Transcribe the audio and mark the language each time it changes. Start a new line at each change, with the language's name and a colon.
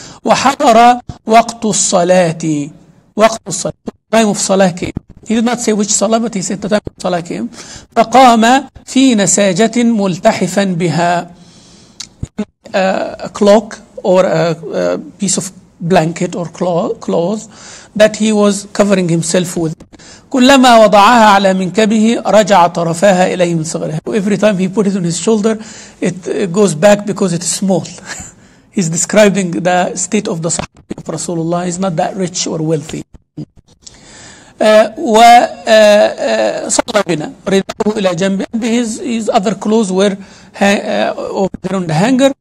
Arabic: وَحَضَرَ وَقْتُ الصَّلَاةِ وَقْتُ الصَّلَاةِ.
English: Time of Salah came. He did not say which Salah, but he said the time of Salah came.
Arabic: فَقَامَ فِي نَسَاجَةٍ مُلْتَحِفًا بِهَا.
English: A cloak or a piece of blanket or cloth that he was covering himself with.
Arabic: كلما وضعها على منكبه رجع طرفها إليه من صغره.
English: Every time he put it on his shoulder, it goes back because it's small. He's describing the state of the Sahabi of Rasulullah. He's not that rich or wealthy.
Arabic: وصلى بنا رداه إلى جنبه.
English: And his other clothes were over there on the hanger.